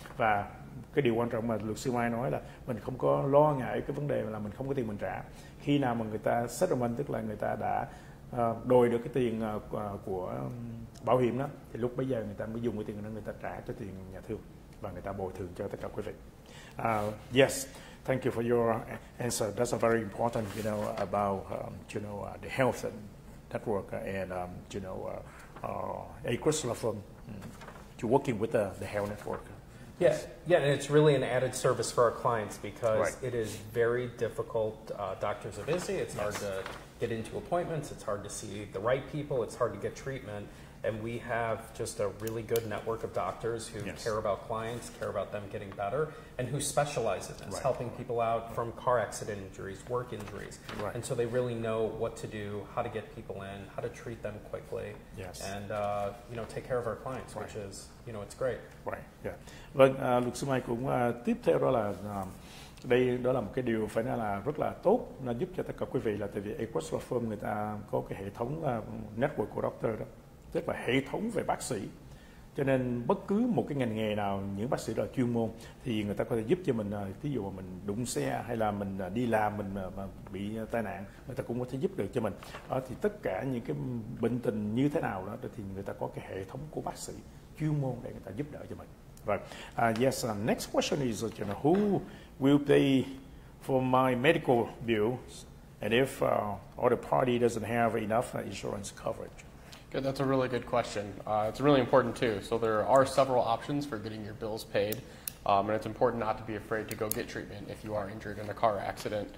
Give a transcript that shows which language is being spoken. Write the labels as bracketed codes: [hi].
[vi] Và cái điều quan trọng mà luật sư Mai nói là mình không có lo ngại cái vấn đề là mình không có tiền mình trả. Khi nào mà người ta settlement, tức là người ta đã đòi được cái tiền của bảo hiểm đó, thì lúc bây giờ người ta mới dùng cái tiền đó người ta trả cho tiền nhà thương và người ta bồi thường cho tất cả quý vị. [en] Yes, thank you for your answer. That's a very important, you know, about you know, the health and network and you know, a Chrysler firm to working with the health network. Yeah, yeah, and it's really an added service for our clients because it is very difficult. Doctors are busy. It's hard to get into appointments. It's hard to see the right people. It's hard to get treatment. And we have just a really good network of doctors who care about clients, care about them getting better, and who specialize in this, helping people out from car accident injuries, work injuries. Right. And so they really know what to do, how to get people in, how to treat them quickly, and you know, take care of our clients, which is, you know, it's great. [vi] Vâng, luật sư Mai cũng tiếp theo đó là đây đó là một cái điều phải nói là rất là tốt, nó giúp cho tất cả quý vị là tại vì Equus Law Firm người ta có cái hệ thống network của doctor đó, tức là hệ thống về bác sĩ. Cho nên bất cứ một cái ngành nghề nào, những bác sĩ đó chuyên môn thì người ta có thể giúp cho mình, thí dụ mình đụng xe hay là mình đi làm mình bị tai nạn, người ta cũng có thể giúp được cho mình. Thì tất cả những cái bệnh tình như thế nào đó thì người ta có cái hệ thống của bác sĩ chuyên môn để người ta giúp đỡ cho mình. [en] Yes, next question is, you know, who will pay for my medical bills and if other party doesn't have enough insurance coverage? Good, that's a really good question. It's really important too. So there are several options for getting your bills paid, and it's important not to be afraid to go get treatment if you are injured in a car accident.